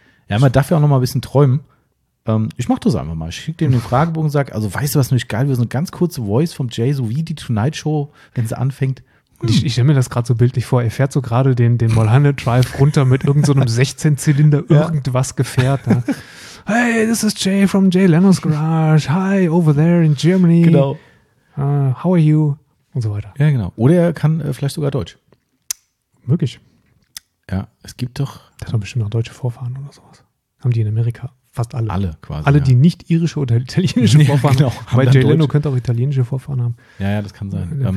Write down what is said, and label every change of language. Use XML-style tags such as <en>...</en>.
<de>Ja, man darf ja auch noch mal ein bisschen träumen. Ich mach das einfach mal. Ich schicke dir den Fragebogen und sag, also weißt du, was nämlich geil wäre? So eine ganz kurze Voice vom Jay, so wie die Tonight Show, wenn sie anfängt. Ich stelle mir das gerade so bildlich vor, er fährt so gerade den Mulholland Drive runter mit irgendeinem so 16-Zylinder irgendwas Gefährt. Ne?</de> <en>Hey, this is Jay from Jay Leno's Garage. Hi, over there in Germany. Genau. How are you?</en> <de>Und so weiter. Ja, genau. Oder er kann vielleicht sogar Deutsch. Möglich. Ja, es gibt doch. Der hat doch bestimmt noch deutsche Vorfahren oder sowas. Haben die in Amerika fast alle. Alle quasi. Alle, die nicht irische oder italienische Vorfahren haben. Genau. Weil Jay Leno könnte auch italienische Vorfahren haben. Ja, ja, das kann sein.</de>